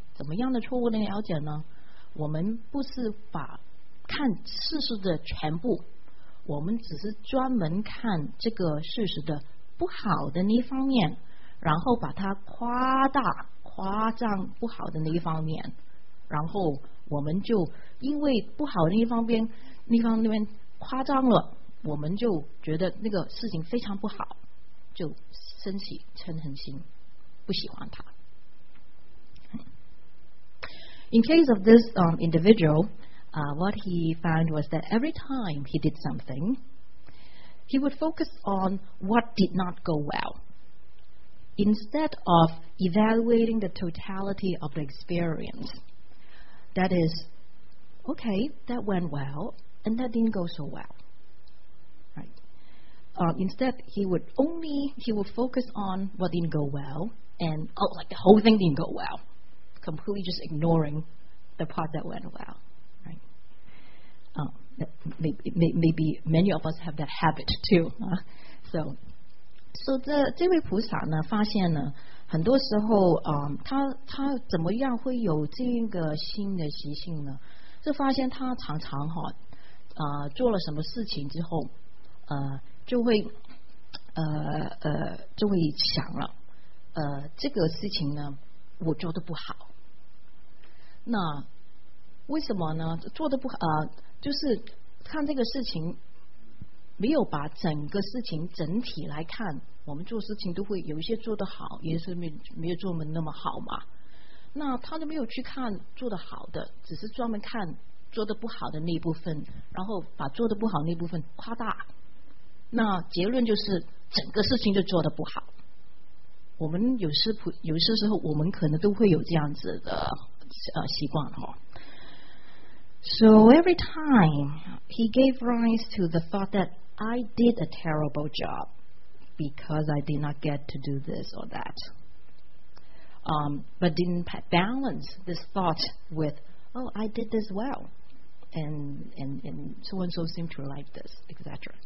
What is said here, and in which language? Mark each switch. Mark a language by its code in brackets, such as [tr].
[zh] 怎么样的错误的了解呢？我们不是把看事实的全部，我们只是专门看这个事实的不好的那一方面，然后把它夸张不好的那一方面，然后我们就因为不好的那一方面夸张了，我们就觉得那个事情非常不好，就升起嗔恨心，不喜欢它。 [en] In case of this individual, what he found was that every time he did something, he would focus on what did not go well. Instead of evaluating the totality of the experience, that is, okay, that went well, and that didn't go so well. Right? Instead, he would focus on what didn't go well, and the whole thing didn't go well. Completely just ignoring the part that went well, right? Maybe many of us have that habit too. [zh] So 这位菩萨呢，发现呢，很多时候他怎么样会有这个新的习性呢？就发现他常常做了什么事情之后，就会诸位想了，这个事情呢我做得不好，那为什么呢做得不好，就是看这个事情没有把整个事情整体来看，我们做事情都会有一些做得好，也是没有做得那么好嘛，那他就没有去看做得好的，只是专门看做得不好的那部分，然后把做得不好那部分夸大，那结论就是整个事情就做得不好。我们有些时候我们可能都会有这样子的习惯哦。 [en] So every time he gave rise to the thought that I did a terrible job because I did not get to do this or that, but didn't balance this thought with, oh, I did this well, and so and so seemed to like this, etc.